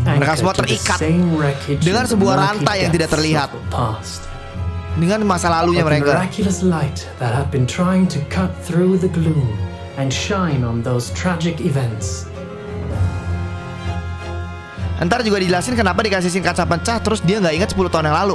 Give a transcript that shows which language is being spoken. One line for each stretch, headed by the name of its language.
Indonesian: mereka semua terikat dengan sebuah rantai yang tidak terlihat dengan masa lalunya mereka.
English: Miraculous light that had been trying to cut through the gloom and shine on those tragic events.
Indonesian: Ntar juga dijelasin kenapa dikasih singkat sampai pecah terus dia nggak ingat 10 tahun yang lalu.